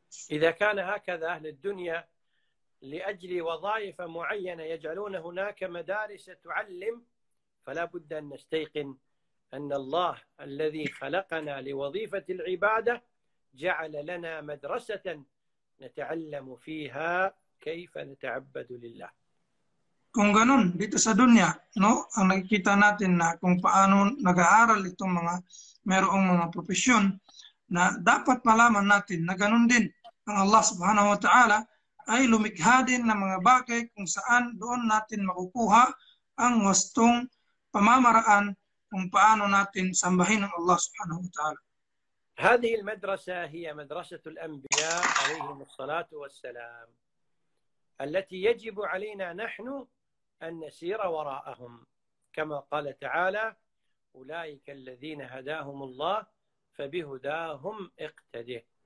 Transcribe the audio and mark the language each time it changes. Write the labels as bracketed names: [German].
[Arabic] إذا كان هكذا أهل الدنيا لأجل وظائف معينة يجعلون هناك مدارس تعلم، فلا بد أن نستيقن أن الله الذي خلقنا لوظيفة العبادة جعل لنا مدرسة نتعلم فيها كيف نتعبد لله. [Filipino] Kung ganun dito sa dunya, no, ang nakikita natin na kung paano nag-aaral itong mga merong mga profesyon, na dapat malaman natin na ganun din ang Allah subhanahu wa ta'ala ay lumikha din ng mga bagay kung saan doon natin makukuha ang wastong pamamaraan kung paano natin sambahin ang Allah subhanahu wa ta'ala. [Arabic] هذه المدرسة هي مدرسة الأنبياء عليهم الصلاة والسلام التي يجب علينا نحن أن نسير وراءهم، كما قال تعالى: أولئك الذين هداهم الله فبهداهم اقتده.